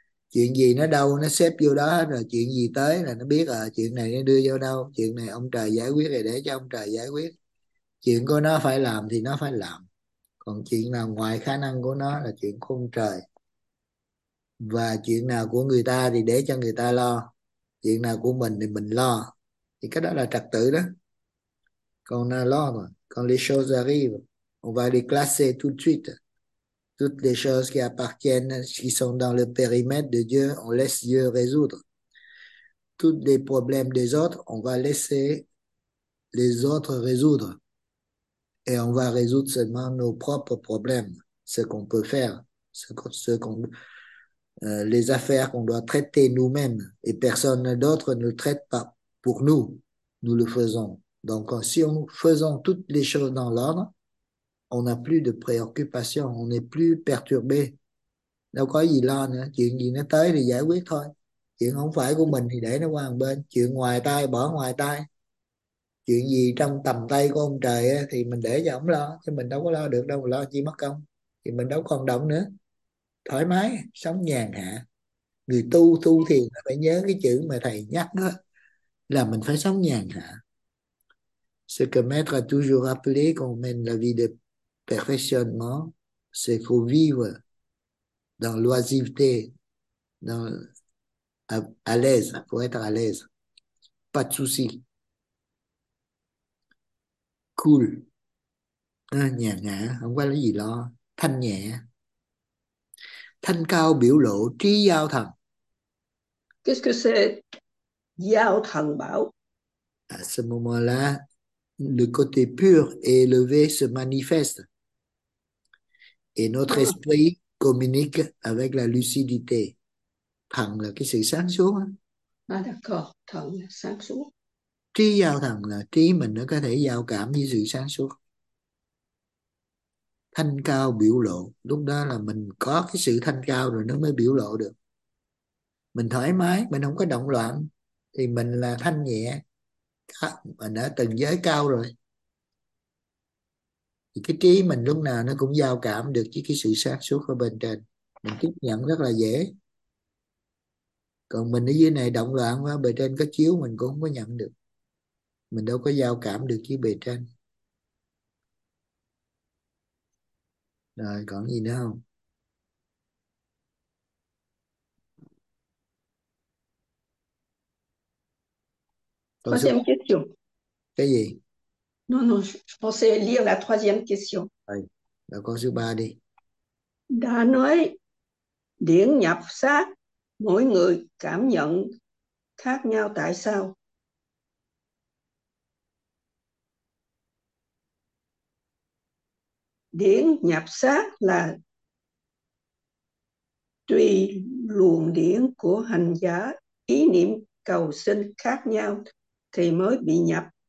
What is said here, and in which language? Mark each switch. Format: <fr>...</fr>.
<vi>chuyện gì nó đâu nó xếp vô đó hết rồi, chuyện gì tới là nó biết à, chuyện này nó đưa vô đâu, chuyện này ông trời giải quyết rồi để cho ông trời giải quyết, chuyện của nó phải làm thì nó phải làm, còn chuyện nào ngoài khả năng của nó là chuyện của ông trời, và chuyện nào của người ta thì để cho người ta lo, chuyện nào của mình thì mình lo, thì cái đó là trật tự đó. Còn là lo mà</vi> <fr>quand les choses arrivent, on va les classer tout de suite. Toutes les choses qui appartiennent, qui sont dans le périmètre de Dieu, on laisse Dieu résoudre. Tous les problèmes des autres, on va laisser les autres résoudre. Et on va résoudre seulement nos propres problèmes, ce qu'on peut faire, les affaires qu'on doit traiter nous-mêmes et personne d'autre ne le traite pas pour nous. Nous le faisons. Donc, si nous faisons toutes les choses dans l'ordre, on n'a plus de préoccupations, on n'est plus perturbé.</fr> <vi>Đâu có gì lo nữa, chuyện gì nó tới thì giải quyết thôi. Chuyện không phải của mình thì để nó qua một bên, chuyện ngoài tay bỏ ngoài tay. Chuyện gì trong tầm tay của ông trời ấy, thì mình để cho ông lo, chứ mình đâu có lo được đâu, lo chi mất công. Thì mình đâu còn động nữa. Thoải mái, sống nhàn hạ. Người tu tu thiền phải nhớ cái chữ mà thầy nhắc đó, là mình phải sống nhàn hạ.</vi> <fr>Ce que Maître a toujours appelé qu'on mène la vie de perfectionnement, c'est qu'il faut vivre dans l'oisiveté, à l'aise, il faut être à l'aise. Pas de soucis.</fr> <vi>Cool. Nhàn hạ, không có gì lo. Thanh nhẹ. Thanh cao biểu lộ trí giao thần.</vi> <fr>Qu'est-ce que c'est giao thần bảo? À ce moment-là, le côté pur et élevé se manifeste et notre esprit communique avec la lucidité.</fr> <vi>Thần là cái sự sáng suốt.</vi> <fr>D'accord,</fr> <vi>thần sáng suốt. Trí giao thần là trí mình nó có thể giao cảm với sự sáng suốt. Thanh cao biểu lộ, lúc đó là mình có cái sự thanh cao rồi nó mới biểu lộ được. Mình thoải mái, mình không có động loạn thì mình là thanh nhẹ. Mình đã từng giới cao rồi thì cái trí mình lúc nào nó cũng giao cảm được với cái sự sáng suốt ở bên trên, mình tiếp nhận rất là dễ. Còn mình ở dưới này động loạn quá, bề trên có chiếu mình cũng không có nhận được, mình đâu có giao cảm được với bề trên. Rồi còn gì nữa không?</vi> <fr>Troisième</fr> <vi>Còn số</vi> <fr>question. Non,</fr> <vi>cái gì?</vi> <fr>je pensais lire la troisième question.</fr> <vi>Đây, là con số 3 đi. Đã nói điển nhập sát, mỗi người cảm nhận khác nhau tại sao? Điển nhập sát là tùy luồng điển của hành giả, ý niệm cầu sinh khác nhau thì mới bị nhập.</vi>